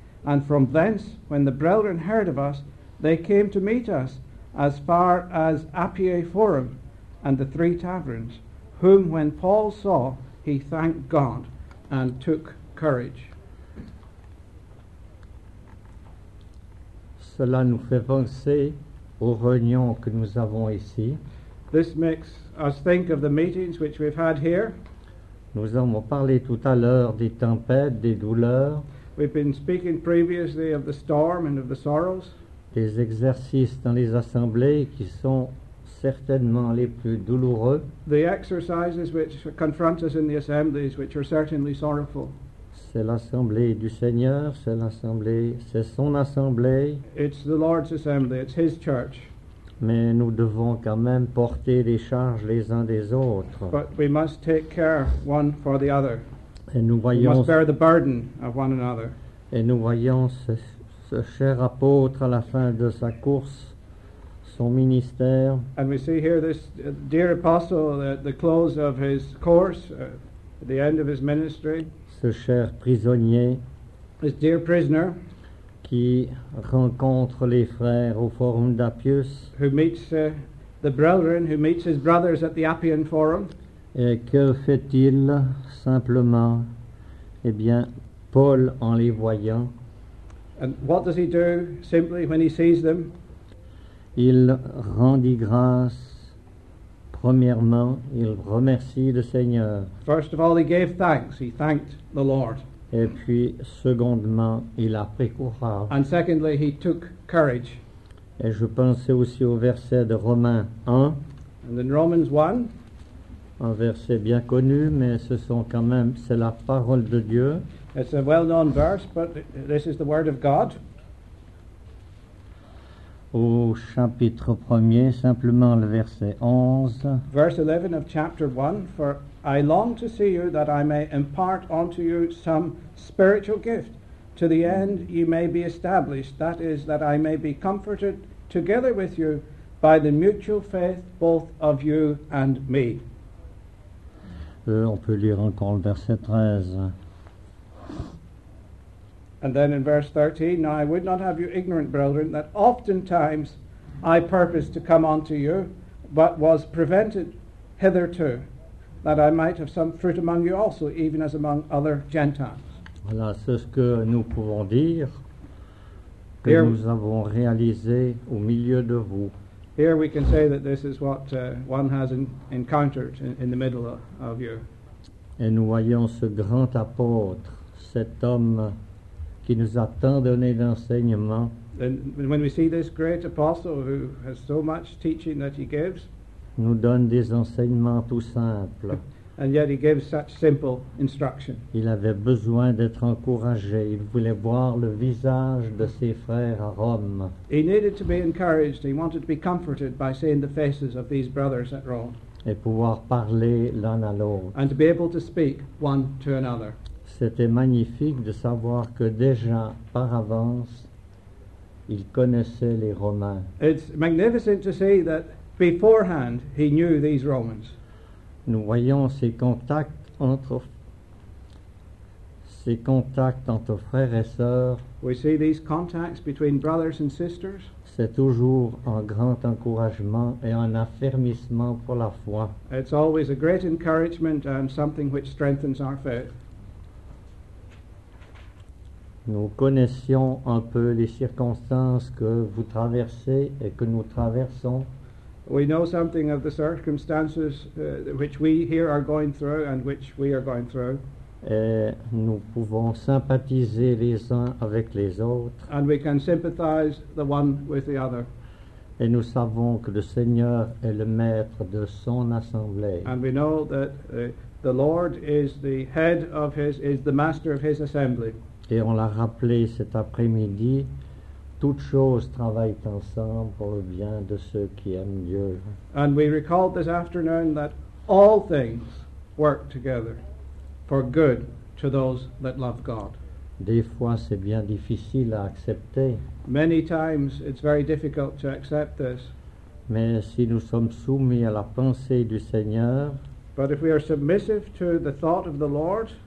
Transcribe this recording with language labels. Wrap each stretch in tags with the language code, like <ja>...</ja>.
<en>And from thence, when the brethren heard of us, they came to meet us as far as Appiae Forum and the three taverns, whom when Paul saw, he thanked God and took courage.</en> <fr>Cela nous fait penser aux réunions que nous avons ici.</fr> <en>This makes us think of the meetings which we've had here.</en> <fr>Nous avons parlé tout à l'heure des tempêtes, des douleurs.</fr> <en>We've been speaking previously of the storm and of the sorrows.</en> <fr>Des exercices dans les assemblées qui sont certainement les plus douloureux.</fr> <en>The exercises which confront us in the assemblies, which are certainly sorrowful.</en> <fr>C'est l'assemblée du Seigneur, c'est l'assemblée, c'est son assemblée.</fr> <en>It's the Lord's assembly, it's his church.</en> <fr>Mais nous devons quand même porter les charges les uns des autres.</fr> <en>But we must take care one for the other.</en> <fr>Et nous voyons,</fr> <en>we must bear the burden of one another.</en> <fr>Et nous voyons ce cher apôtre à la fin de sa course, son ministère.</fr> <en>And we see here this dear apostle at the close of his course, at the end of his ministry.</en> <fr>Ce cher prisonnier.</fr> <en>This dear prisoner.</en> <fr>Qui rencontre les frères au Forum d'Appius.</fr> <en>Who meets the brethren, who meets his brothers at the Appian Forum.</en> <fr>Et que fait-il simplement? Eh bien, Paul, en les voyant.</fr> <en>And what does he do simply when he sees them?</en> <fr>Il rendit grâce. Premièrement, il remercie le Seigneur.</fr> <en>First of all, he gave thanks. He thanked the Lord.</en> <fr>Et puis, secondement, il a pris courage.</fr> <en>And secondly, he took courage.</en> <fr>Et je pensais aussi au verset de Romains 1.</fr> <en>And in Romans 1.</en> <fr>Un verset bien connu, mais ce sont quand même, c'est la parole de Dieu.</fr> <en>It's a well-known verse, but this is the word of God.</en> <fr>Au chapitre 1er, simplement le verset 11.</fr> <en>Verse 11 of chapter 1, for I long to see you, that I may impart unto you some spiritual gift, to the end ye may be established, that is, that I may be comforted together with you by the mutual faith both of you and me.</en> <fr>On peut lire encore le verset 13.</fr> <en>And then in verse 13, now I would not have you ignorant, brethren, that oftentimes I purposed to come unto you, but was prevented hitherto, that I might have some fruit among you also, even as among other Gentiles.</en> <fr>Voilà, c'est ce que nous pouvons dire, que here, nous avons réalisé au milieu de vous.</fr> <en>Here we can say that this is what one has encountered in the middle of you.</en> <fr>Et nous voyons ce grand apôtre, cet homme qui nous a tant donné d'enseignement.</fr> <en>And when we see this great apostle who has so much teaching that he gives,</en> <fr>nous donne des enseignements tout simples.</fr> <en>And yet he gives such simple instruction.</en> <fr>Il avait besoin d'être encouragé. Il voulait voir le visage de ses frères à Rome.</fr> <en>He needed to be encouraged. He wanted to be comforted by seeing the faces of these brothers at Rome.</en> <fr>Et pouvoir parler l'un à l'autre.</fr> <en>And to be able to speak one to another.</en> <fr>C'était magnifique de savoir que déjà par avance, il connaissait les Romains.</fr> <en>It's magnificent to see that beforehand he knew these Romans.</en> <fr>Nous voyons ces contacts entre frères et sœurs.</fr> <en>We see these contacts between brothers and sisters.</en> <fr>C'est toujours un grand encouragement et un affermissement pour la foi.</fr> <en>It's always a great encouragement and something which strengthens our faith.</en> <fr>Nous connaissions un peu les circonstances que vous traversez et que nous traversons.</fr> <en>We know something of the circumstances which we here are going through and which we are going through.</en> <fr>Et nous pouvons sympathiser les uns avec les autres.</fr> <en>And we can sympathize the one with the other.</en> <fr>Et nous savons que le Seigneur est le maître de son assemblée.</fr> <en>And we know that the Lord is the head of his, is the master of his assembly.</en> <fr>Et on l'a rappelé cet après-midi. Toutes choses travaillent ensemble pour le bien de ceux qui aiment Dieu.</fr> <en>And we recalled this afternoon that all things work together for good to those that love God.</en> <fr>Des fois, c'est bien difficile à accepter.</fr> <en>Many times, it's very difficult to accept this.</en> <fr>Mais si nous sommes soumis à la pensée du Seigneur,</fr> <en>but if we are submissive to the thought of the Lord,</en>